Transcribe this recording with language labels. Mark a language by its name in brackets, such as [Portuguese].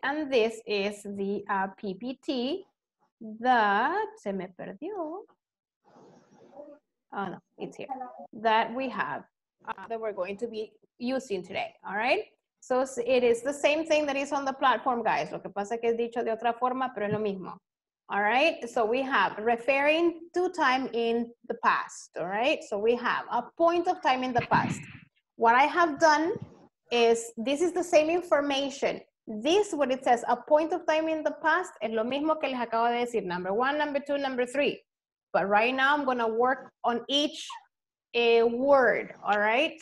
[English] And this is the PPT that, [Spanish] se me perdió. [English] Oh, no, it's here. That we have, that we're going to be using today, all right? So it is the same thing that is on the platform, guys. [Spanish] Lo que pasa es que es dicho de otra forma, pero es lo mismo. [English] All right? So we have referring to time in the past, all right? So we have a point of time in the past. What I have done is this is the same information. This, what it says, a point of time in the past, [Spanish] es lo mismo que les acabo de decir, [English] number one, number two, number three. But right now, I'm gonna work on each word, all right?